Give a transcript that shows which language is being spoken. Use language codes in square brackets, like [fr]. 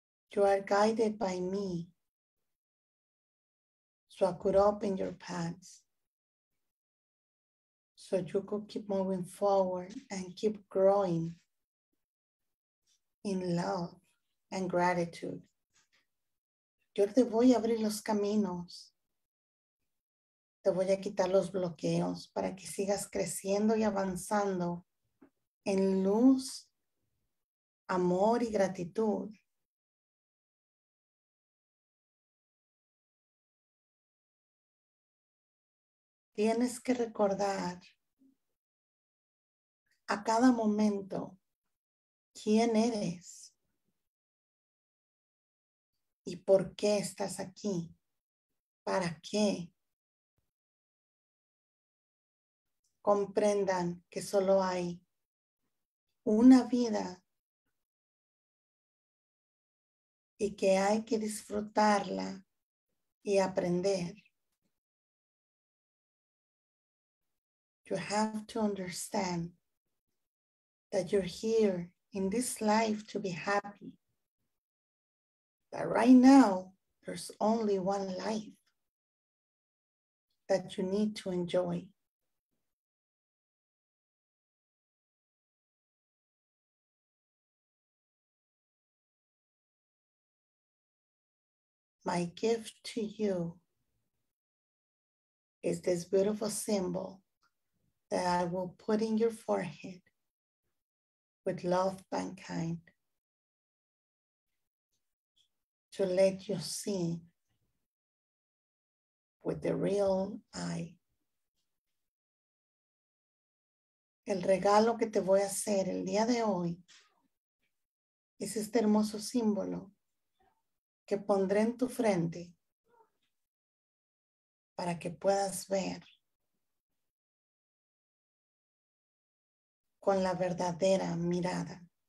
[en] You are guided by me, so I could open your paths, so you could keep moving forward and keep growing in love and gratitude. [es] Yo te voy a abrir los caminos. Te voy a quitar los bloqueos para que sigas creciendo y avanzando en luz, amor y gratitud. Tienes que recordar a cada momento quién eres y por qué estás aquí, para qué. Comprendan que solo hay una vida y que hay que disfrutarla y aprender. [en] You have to understand that you're here in this life to be happy. That right now, there's only one life that you need to enjoy. My gift to you is this beautiful symbol that I will put in your forehead with love, mankind, to let you see with the real eye. [es] El regalo que te voy a hacer el día de hoy es este hermoso símbolo que pondré en tu frente para que puedas ver con la verdadera mirada.